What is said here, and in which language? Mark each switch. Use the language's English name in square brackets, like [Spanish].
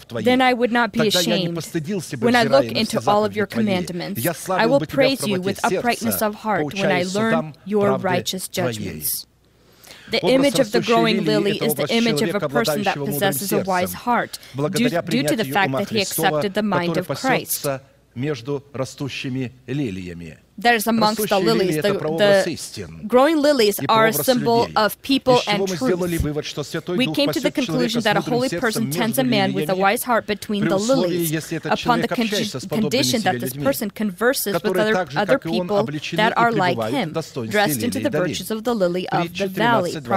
[English] Then I would not be ashamed when I look into all of your commandments. I will praise you with uprightness of heart when I learn your righteous judgments. The image of the growing lily is the image of a person that possesses a wise heart due to the fact that he accepted the mind of Christ. [Russian] Между растущими лилиями. [English] That is amongst the lilies. The growing lilies are a symbol of people and truth. We came to the conclusion that a holy person tends a man with a wise heart between the lilies upon the condition that this person converses with other people that are like him, dressed into the virtues of the lily of the valley.